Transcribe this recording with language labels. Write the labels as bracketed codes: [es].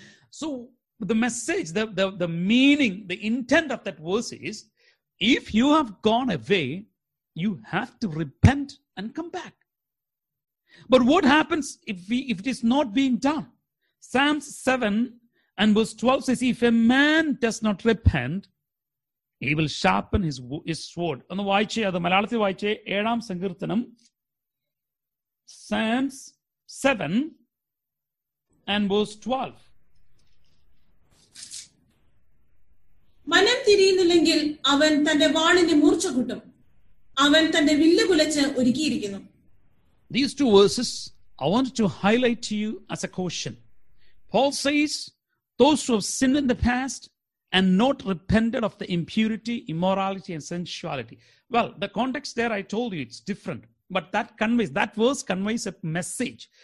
[en] So the message, the meaning, the intent of that verse is, if you have gone away, you have to repent and come back. But what happens if it is not being done? Psalms 7 and verse 12 says, if a man does not repent, he will sharpen his sword. And the [ml] vaiche adu malayalathil vaiche ഏഴാം സങ്കീർത്തനം [en] Psalms 7 and verse 12. [ml] മനം തിരിയുന്നില്ലെങ്കിൽ അവൻ തന്റെ വാളിനെ മൂർച്ച കൂട്ടും, അവൻ തന്റെ വില്ല് കുലച്ച് ഒരുക്കിയിരിക്കുന്നു. [en] These two verses, I wanted to highlight to you as a caution. Paul says, those who have sinned in the past and not repented of the impurity, immorality, and sensuality. Well, the context there, I told you, it's different. But that verse conveys a message.